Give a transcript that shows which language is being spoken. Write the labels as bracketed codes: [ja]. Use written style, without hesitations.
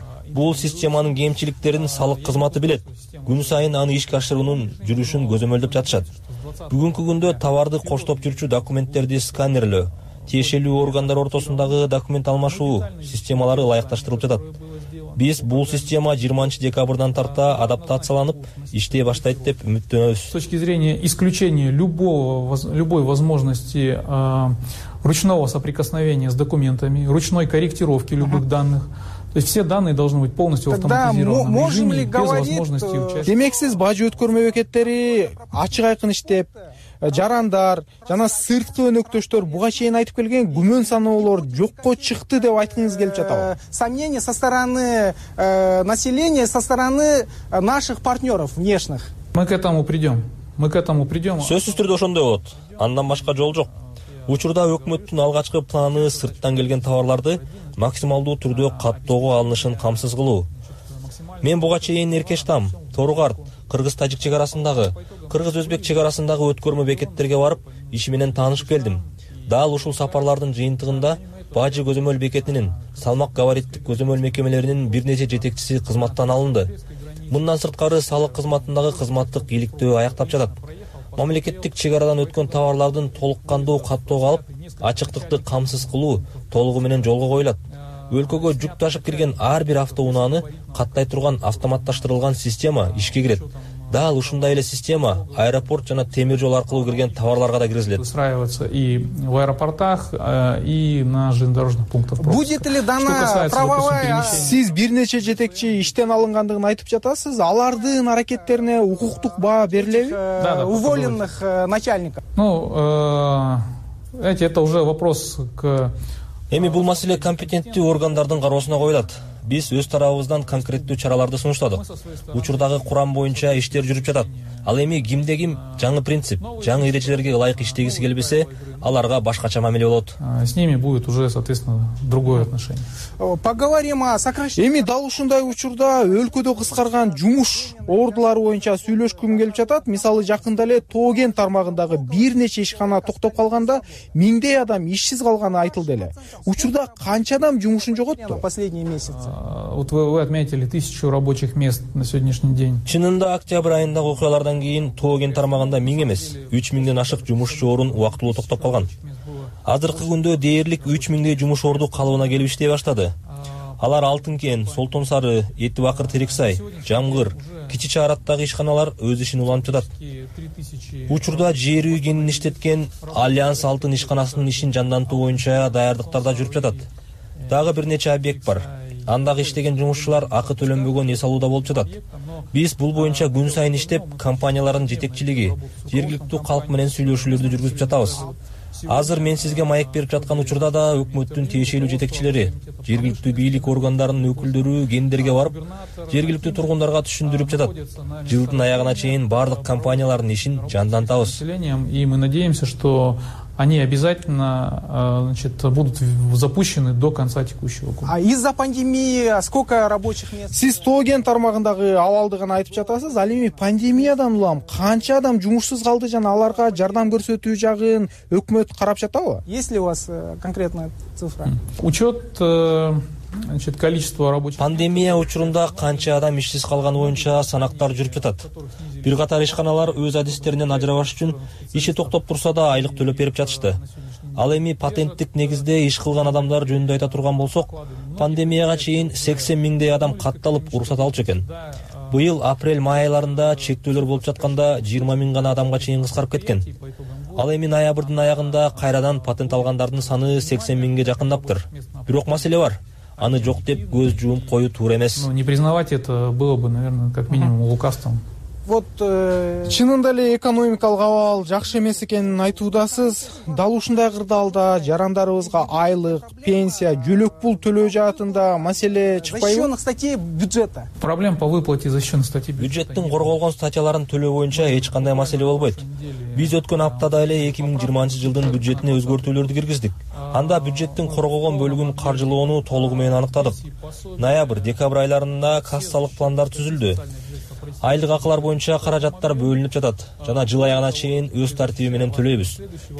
[ky] Бул системанын кемчиликтерин салык кызматы билет. Күн сайын аны ишке ашыруунун жүрүшүн көзөмөлдөп жатышат. Бүгүнкү күндө товарды коштоп жүрчү документтерди сканерлөө, тиешелүү органдар ортосундагы документ алмашуу системалары ылайыкташтырылып жатат. Биз бул система 20 декабрдан тарта адаптацияланып иштей баштайт деп үмүттөнөбүз. [ru] С точки зрения исключения любой возможности ручного соприкосновения с документами, ручной корректировки любых данных. То есть все данные должны быть полностью автоматизированы. Да, мы можем ли говорить, [ky] демек сиз бажы өткөр мөөкеттери ачык айкын иштеп жарандар жана сырткы өнөктөштөр буга чейин айтып келген күмөн саноолор жокко чыкты деп айткыңыз келип жатабы? [ru] Сомнение со стороны населения, со стороны наших партнеров внешних. Мы к этому придем. [ky] Сөзсүз түрдө ошондой болот. Андан башка жол жок. Учурда өкмөттүн алгачкы планы сырттан келген товарларды максималдуу түрдө каттоого алынышын камсыз кылуу. Мен буга чейин Эркештам, Торугарт, Кыргыз-Тажик чек арасындагы, Кыргыз-Өзбек чек арасындагы өткөрмө бекеттерге барып, иши менен таанышып келдим. Дал ушул сапарлардын жыйынтыгында бажы көзөмөл бекетинин, салмак габариттик көзөмөл мекемелеринин бир нече жетекчиси кызматтан алынды. Мындан сырткары салык кызматындагы кызматтык иликтөө аяктап жатат. Мамлекеттик чек арадан өткөн товарлардын толуккандуу каттоого алып, ачыктыкты камсыз кылуу толугу менен жолго коюлат. Өлкөгө жүк ташып кирген ар бир автоунааны каттай турган автоматташтырылган система ишке кирет. Дал ушундай эле система аэропорт жана темир жол аркылуу кирген товарларга да киргизилет. [ru] Устраивается и в аэропортах, и на железнодорожных пунктах пропуска. Будет ли дана правовая? [ky] Сиз бир нече жетекчи иштен алынгандыгын айтып жатасыз, алардын аракеттерине укуктук баа берилеби? [ru] Да, да. Уволенных начальников. Ну, это уже вопрос к... [ky] Эми бул маселе компетенттүү органдардын кароосуна коюлат. Биз өз тарабыбыздан конкреттүү чараларды сунуштадык. Учурдагы курам боюнча иштер жүрүп жатат. Ал эми кимде ким жаңы принцип, жаңы эрежелерге ылайык иштегиси келбесе, аларга башкача мамиле болот. [ru] С ними будет уже, соответственно, другое отношение. Поговорим о сокращении. [ky] Эми дал ушундай учурда өлкөдө кыскарган жумуш ордулары боюнча сүйлөшкүм келип жатат. Мисалы, жакында эле Тоген тармагындагы бир нече ишкана токтоп калганда миңдей адам ишсиз калганы айтылды эле. Учурда канча адам жумушун жоготту? [ru] Последний месяц. Вот вы отметили 1000 рабочих мест на сегодняшний день. [ky] Чынында октябрь айындагы окуялардан кийин Тоген тармагында миң эмес, 3000 ашык жумушчу орун убактылуу токтоп калган. Азыркы күндө дээрлик 3000 жумуш орду калыбына келип иштей баштады. Алар Алтынкен, Солтон Сары, Эти Бакыр Териксай, Жамгыр, кичи чаараттагы ишканалар өз ишин улантып жатат. Учурда жер үй кенин иштеткен Альянс Алтын ишканасынын ишин жандантуу боюнча даярдыктарда жүрүп жатат. Дагы бир нече объект бар. Андагы иштеген жумушчулар акы төлөнбөгөн эс алууда болуп жатат. Биз бул боюнча күн сайын иштеп, компаниялардын жетекчилиги, жергиликтүү калк менен сүйлөшүүлөрдү жүргүзүп жатабыз. Азыр мен сизге маек берип жаткан учурда да өкмөттүн тиешелүү жетекчилери, жергиликтүү бийлик органдарынын өкүлдөрү кендерге барып, жергиликтүү тургундарга түшүндүрүп жатат. Жылдын аягына чейин бардык компаниялардын ишин жандантабыз. [ru] И мы надеемся, что они обязательно, значит, будут запущены до конца текущего года. А из-за пандемии сколько рабочих мест? [ky] Сиз Тоген тармагындагы абалды гана айтып жатасыз, ал эми пандемиядан улам канча адам жумушсуз калды жана аларга жардам көрсөтүү жагын өкмөт карап жатабы? [ru] Есть ли у вас конкретная цифра? Учет, значит, количество рабочих. [ky] Пандемия учурунда канча адам ишсиз калганы боюнча санактар жүрүп жатат. Бир катар ишканалар өз адистеринен ажырабаш үчүн иши токтоп турса да айлык төлөп берип жатышты. Ал эми патенттик негизде иш кылган адамдар жөнүндө айта турган болсок, пандемияга чейин 80,000 адам катталып уруксат алчу экен. Быйыл апрель май айларында чектөөлөр болуп жатканда 20,000 гана адамга чейин кыскарып кеткен. Ал эми ноябрдын аягында кайрадан патент алгандардын саны 80,000 жакындаптыр. Бирок маселе бар. Аны жок деп көз жумуп коюу туура эмес. [ru] Не признавать это было бы, наверное, как минимум лукавством. Вот [ky] чынында эле экономикалык абал жакшы эмес экенин айтуудасыз. Дал ушундай кырдаалда жарандарыбызга айлык, пенсия, жөлөк пул төлөө жаатында маселе чыкпайбы? [ru] Защищённых статей бюджета. Проблем по выплате защищённых статей бюджета. [ky] Бюджеттин корголгон статьяларын төлөө боюнча эч кандай маселе болбойт. Биз өткөн аптада эле 2020 жылдын бюджетине өзгөртүүлөрдү киргиздик. Анда бюджеттин корголгон бөлүгүн каржылоону толугу менен аныктадык. Ноябрь, декабрь айларында кассалык пландар түзүлдү. Айлык акылар боюнча каражаттар бөлүнүп жатат жана жыл аягына чейин өз тартиби менен төлөйбүз.